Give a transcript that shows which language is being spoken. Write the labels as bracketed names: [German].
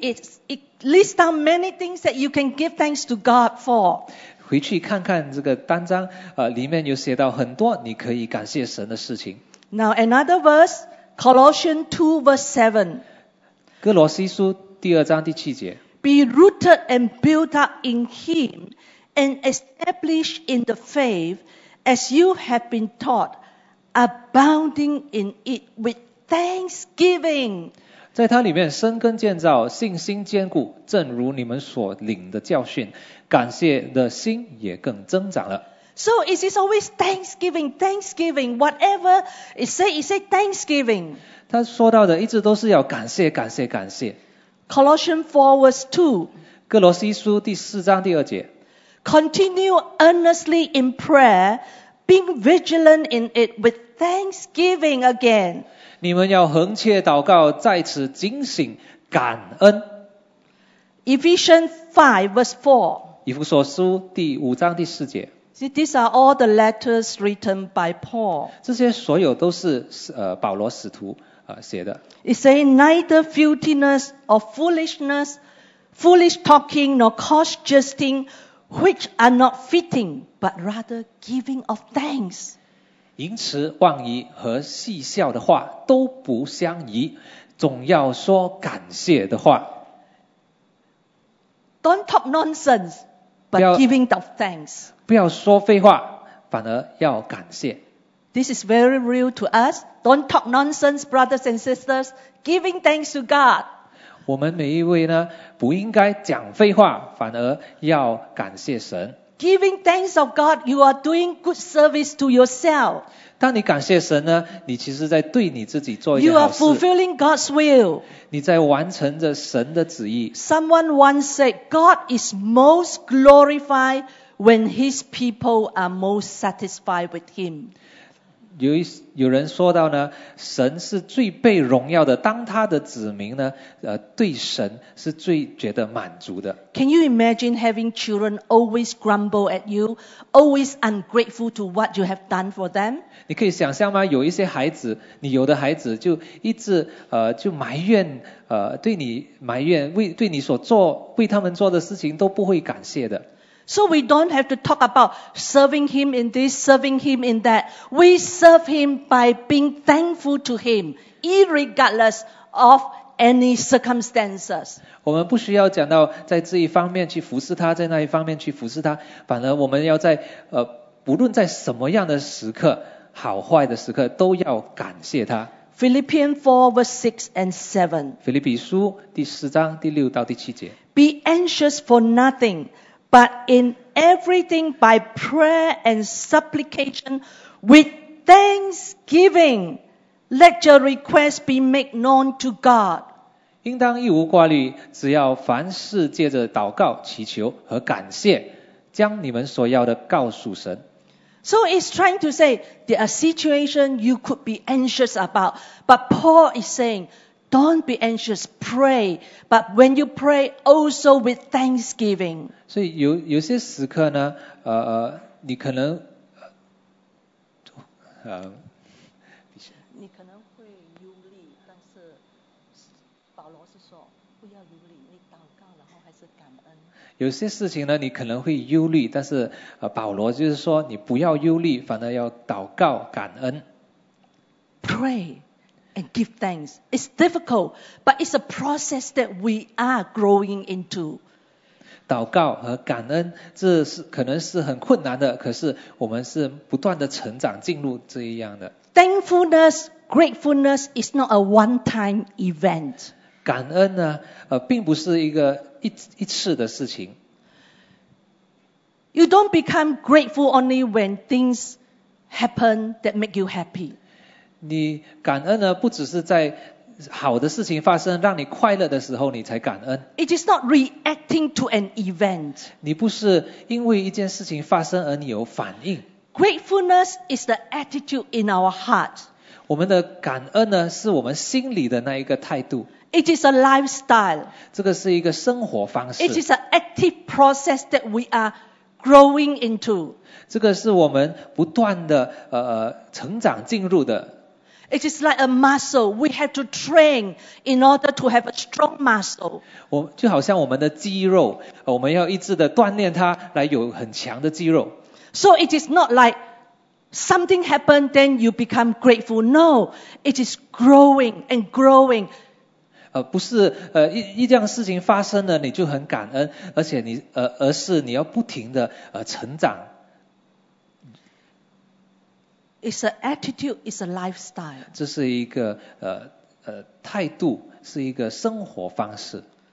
[English] It lists down many things that you can give thanks to God for. [Chinese] 回去看看这个单章，里面有写到很多你可以感谢神的事情。 [English] Now another verse, Colossians 2 verse 7. [Chinese] 哥罗西书第二章第七节。 [English] Be rooted and built up in him and established in the faith as you have been taught. Abounding in it with thanksgiving. [Chinese] 在它里面生根建造，信心坚固，正如你们所领的教训，感谢的心也更增长了。 [English] So it is always thanksgiving, thanksgiving, whatever it say thanksgiving. [Chinese] 他说到的一直都是要感谢，感谢，感谢。 [English] Colossians 4 verse 2. [Chinese] 哥罗西书第四章第二节。 [English] Continue earnestly in prayer. Being vigilant in it with thanksgiving again. [Chinese] 你们要恒切祷告，在此警醒，感恩。 [English] Ephesians 5 verse 4. [Chinese] 以弗所书第五章第四节。 [English] See, these are all the letters written by Paul. [Chinese] 这些所有都是保罗使徒写的。 [English] It says neither filthiness or foolishness, foolish talking nor coarse jesting. Which are not fitting, but rather giving of thanks. [Chinese] 淫词妄语和戏笑的话都不相宜，总要说感谢的话。 [English] Don't talk nonsense, but giving of thanks. [Chinese] 不要说废话，反而要感谢。 [English] This is very real to us. Don't talk nonsense, brothers and sisters. Giving thanks to God. [Chinese] 我们每一位呢，不应该讲废话，反而要感谢神。 [English] Giving thanks of God, you are doing good service to yourself. [Chinese] 当你感谢神呢，你其实在对你自己做一件好事。 [English] You are fulfilling God's will. [Chinese] 你在完成着神的旨意。 [English] Someone once said, God is most glorified when His people are most satisfied with Him. [Chinese] 有人说到呢，神是最被荣耀的，当他的子民呢，对神是最觉得满足的。 [English] Can you imagine having children always grumble at you, always ungrateful to what you have done for them? [Chinese] 你可以想象吗？有一些孩子，你有的孩子就一直就埋怨对你埋怨，对你所做为他们做的事情都不会感谢的。 [English] So we don't have to talk about serving him in this, serving him in that. We serve him by being thankful to him, irregardless of any circumstances. [Chinese] 我们不需要讲到在这一方面去服侍他，在那一方面去服侍他，反而我们要在不论在什么样的时刻，好坏的时刻，都要感谢他。 [English] Philippians 4 verse 6 and 7. [Chinese] 腓立比书第四章第六到第七节。 [English] Be anxious for nothing. But in everything by prayer and supplication with thanksgiving, let your requests be made known to God. [Chinese] 应当一无挂虑，只要凡事借着祷告、祈求和感谢，将你们所要的告诉神。 [English] So it's trying to say there are situations you could be anxious about, but Paul is saying, don't be anxious, pray, but when you pray, also with thanksgiving. [Chinese] 所以有些时刻呢，你可能，你可能会忧虑，但是保罗是说不要忧虑，你祷告然后还是感恩。有些事情呢，你可能会忧虑，但是保罗就是说你不要忧虑，反而要祷告感恩。 [English] Pray. And give thanks. It's difficult, but it's a process that we are growing into. [Chinese] 祷告和感恩，这是可能是很困难的，可是我们是不断的成长进入这样的。 [English] Thankfulness Gratefulness is not a one-time event. [Chinese] 感恩呢，并不是一个 一次的事情。 [English] You don't become grateful only when things happen that make you happy. [Chinese] 你感恩呢，不只是在好的事情发生让你快乐的时候你才感恩。 [English] It is not reacting to an event. [Chinese] 你不是因为一件事情发生而你有反应。 [English] Gratefulness is the attitude in our heart. [Chinese] 我们的感恩呢，是我们心里的那一个态度。 [English] It is a lifestyle. [Chinese] 这个是一个生活方式。 [English] It is an active process that we are growing into. [Chinese] 这个是我们不断的成长进入的。 [English] It is like a muscle. We have to train in order to have a strong muscle. [Chinese] 就好像我们的肌肉，我们要一直的锻炼它，来有很强的肌肉。 [English] So it is not like something happened, then you become grateful. No, it is growing and growing. [Chinese] 不是一件事情发生了你就很感恩，而且你而是你要不停的成长。 [English] It's an attitude, it's a lifestyle. [Chinese] 这是一个态度，是一个生活方式。